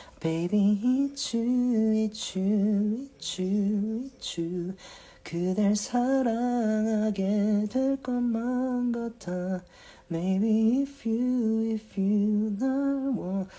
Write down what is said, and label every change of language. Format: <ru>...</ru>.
<en>Baby, it's you, it's you, it's you, it's you.</en> <ko>그댈 사랑하게 될 것만 같아.</ko> <en>Maybe if you</en> <ko>날 원.</ko>